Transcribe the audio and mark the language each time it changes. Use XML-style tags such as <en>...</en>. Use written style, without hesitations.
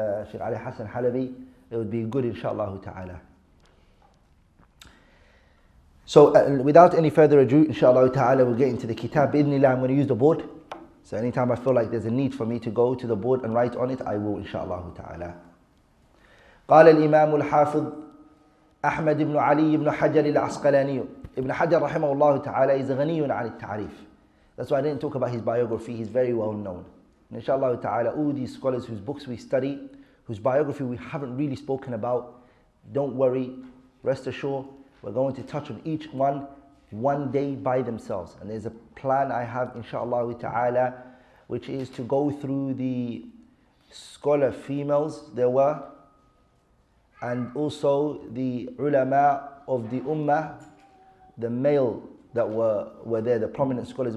<en>Shaykh Ali Hassan Al-Halabi, it would be good inshaAllah ta'ala. So without any further ado, inshaAllah ta'ala, we'll get into the kitab. Bi'idhnillah, I'm going to use the board. So anytime I feel like there's a need for me to go to the board and write on it, I will, inshallah ta'ala.</en> <ar>قال الإمام الحافظ أحمد بن علي بن حجر العسقلاني.</ar> <en>Ibn Hajar</en> <ar>رحمه الله تعالى</ar> <en>is</en> <ar>غني عن التعريف.</ar> <en>That's why I didn't talk about his biography. He's very well known. And inshallah ta'ala, all these scholars whose books we study, whose biography we haven't really spoken about, don't worry, rest assured, we're going to touch on each one day by themselves. And there's a plan I have, inshallah ta'ala, which is to go through the scholar females there were, and also the ulama of the ummah, the male that were there, the prominent scholars.</en>